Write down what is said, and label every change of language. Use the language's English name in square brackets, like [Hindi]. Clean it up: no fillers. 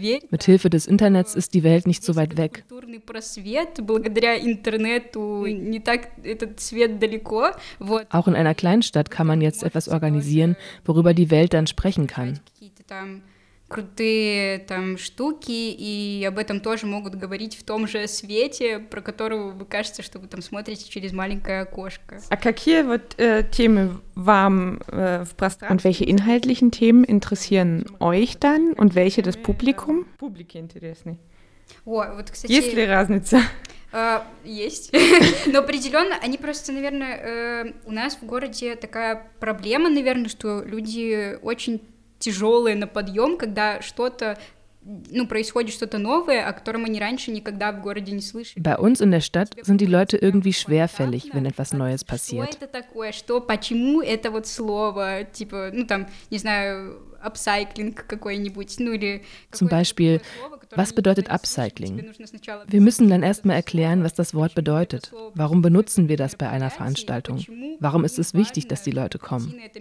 [German] Mit Hilfe des Internets ist die Welt nicht so weit weg. Auch in einer Kleinstadt kann man jetzt etwas organisieren, worüber die Welt dann sprechen kann. [Russian] Крутые там штуки, и об этом тоже могут говорить в том же свете, про которого вы кажется, что вы там смотрите через маленькое окошко. А какие вот темы вам в пространстве? [German] Und welche inhaltlichen Themen interessieren euch dann und welche das Publikum? [Russian] Публике интересны. О, вот, кстати, есть ли разница? Есть. Но определенно они просто, наверное, у нас в городе такая проблема, наверное, что люди очень тяжелые на подъем, когда что-то, ну, происходит что-то новое, о котором они раньше никогда в городе не слышали. [German] Bei uns in der Stadt sind die Leute irgendwie schwerfällig, wenn etwas Neues passiert. [Russian] Что это такое? Что, почему это вот слово? Типа, ну, там, не знаю, Upcycling какой-нибудь, ну или... [German] Zum Beispiel, was bedeutet Upcycling? Wir müssen dann erstmal erklären, was das Wort bedeutet. Warum benutzen wir das bei einer Veranstaltung? Warum ist es wichtig, dass die Leute kommen?